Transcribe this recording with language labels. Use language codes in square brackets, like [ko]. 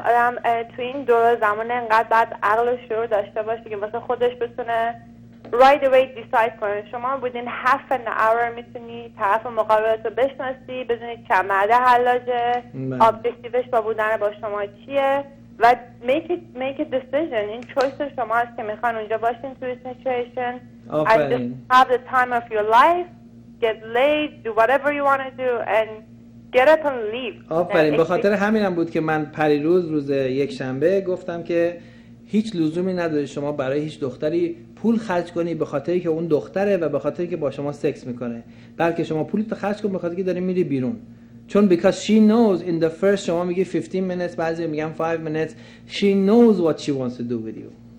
[fa] آدم تو این دور زمان انقدر بعد عقل و شعور داشته باشه که واسه خودش بتونه [en] right away decide [fa] کنه. شما [en] within half an hour [fa] میتونی طرف مقابلت رو بشناسی، بدونی که مرد حلاجه، objectiveش با بودن با شما چیه و [en] make a decision. [fa] این choice شما هست که میخوان اونجا باشین توی situation. آفرین. [en] And just have the time of your life, get laid, do whatever you want to do and get up and leave. [fa] آفرین. به خاطر همین هم بود که من پریروز روز یک شنبه گفتم که هیچ لزومی نداره شما برای هیچ دختری پول خرج کنی به خاطر اینکه اون دختره و به خاطر اینکه با شما سکس میکنه، بلکه شما پولتو خرج کن به خاطر اینکه داری میری بیرون، چون [en] because she knows in the first، [fa] شما میگی 15 minutes، بعضی میگن 5 minutes، [en] she knows what she wants to do with you.